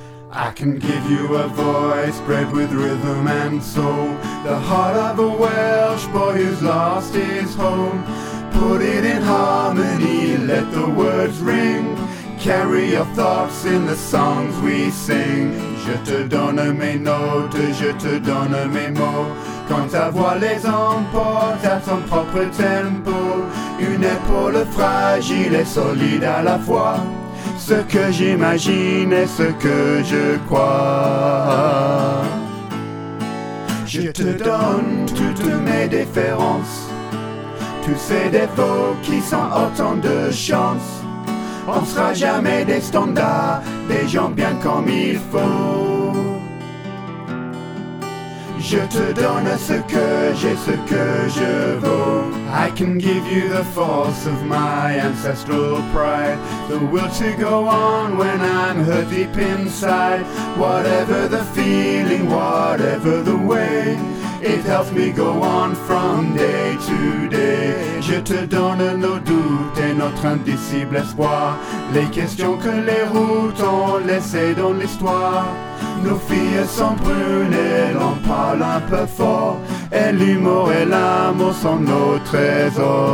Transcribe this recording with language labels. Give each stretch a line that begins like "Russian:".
English: I can give you a voice bred with rhythm and soul. The heart of a Welsh boy who's lost his home. Put it in harmony, let the words ring. Carry your thoughts in the songs we sing.
French: Je te donne mes notes, je te donne mes mots. Quand ta voix les emporte à son propre tempo. Une épaule fragile et solide à la fois. Ce que j'imagine et ce que je crois. Je te donne toutes mes différences. Tous ces défauts qui sont autant de chance. On sera jamais des standards, des gens bien comme il faut. Je te donne ce que j'ai, ce que je vaux.
English: I can give you the force of my ancestral pride. The will to go on when I'm hurt deep inside. Whatever the feeling, whatever the way. It helps me go on from day to day.
French: Je te donne nos doutes et notre indicible espoir. Les questions que les routes ont laissées dans l'histoire. Nos filles sont brunes et l'on parle un peu fort. Et l'humour et l'amour sont nos trésors.